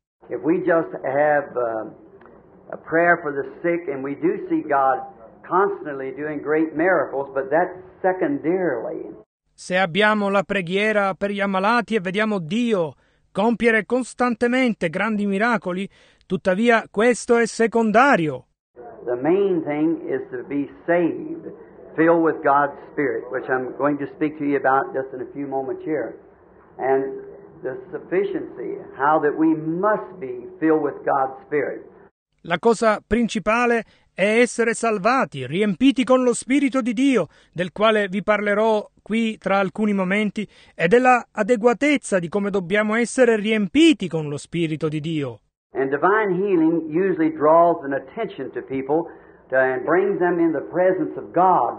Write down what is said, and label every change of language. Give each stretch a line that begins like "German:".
English: If we just have a prayer for the sick and we do see God constantly doing great miracles, but that's secondarily.
Italian: Se abbiamo la preghiera per gli ammalati e vediamo Dio compiere costantemente grandi miracoli, tuttavia questo è secondario.
English: The main thing is to be saved, filled with God's Spirit, which I'm going to speak to you about just in a few moments here. And the sufficiency, how that we must be filled with God's Spirit.
Italian: La cosa principale è essere salvati, riempiti con lo Spirito di Dio, del quale vi parlerò qui tra alcuni momenti, e della adeguatezza di come dobbiamo essere riempiti con lo Spirito di Dio.
English: And divine healing usually draws an attention to people and brings them in the presence of God.